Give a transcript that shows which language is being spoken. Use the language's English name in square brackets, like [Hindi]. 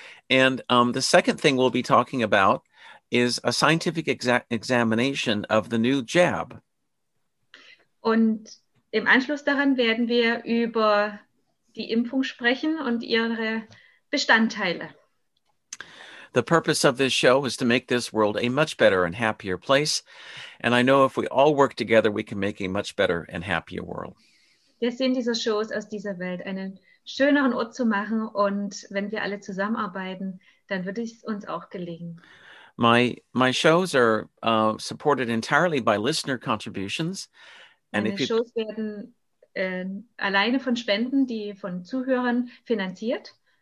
[English] And the second thing we'll be talking about is a scientific examination of the new jab. [German] Und im Anschluss daran werden wir über die Impfung sprechen und ihre Bestandteile. [English] The purpose of this show is to make this world a much better and happier place. And I know if we all work together, we can make a much better and happier world. [German] Der Sinn dieser Show ist, aus dieser Welt einen schöneren Ort zu machen. Und wenn wir alle zusammenarbeiten, dann wird es uns auch gelingen. [English] My shows are supported entirely by listener contributions. [German] And meine Shows werden alleine von Spenden, die von Zuhörern finanziert.